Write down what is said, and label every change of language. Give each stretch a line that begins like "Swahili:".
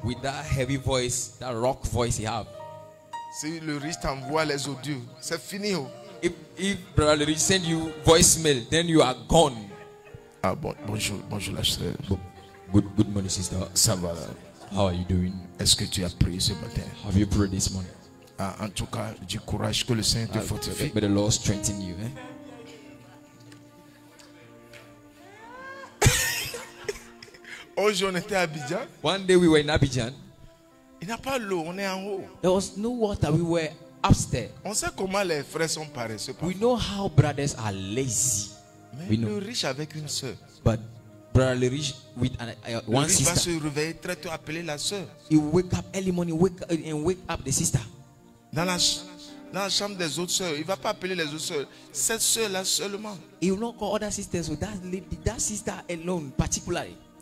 English: With that heavy voice, that rock voice he have.
French: Si le riche t'envoie les audios, c'est fini.
English: If brother le riche send you voicemail, then you are gone.
French: Ah bon, bonjour la sœur.
English: Good morning sister.
French: Ça va.
English: How are you doing?
French: Est-ce que tu as prié ce matin?
English: Have you prayed this morning?
French: Ah, en tout cas, du courage que le Seigneur te fortifie.
English: May the Lord strengthen you.
French: Aujourd'hui, on était à Abidjan.
English: One day we were in Abidjan.
French: Il n'y a pas l'eau, on est en haut.
English: There was no water, we were upstairs.
French: On sait comment les frères sont paresseux.
English: We know how brothers are lazy.
French: Mais le riche avec une sœur.
English: But brother le riche with one sister.
French: Il va se réveiller très tôt, appeler la sœur.
English: He wake up early morning, wake up the sister.
French: Dans la chambre des autres sœurs, il va pas appeler les autres sœurs. Cette sœur là seulement.
English: He will not call other sisters, so that sister alone, particularly.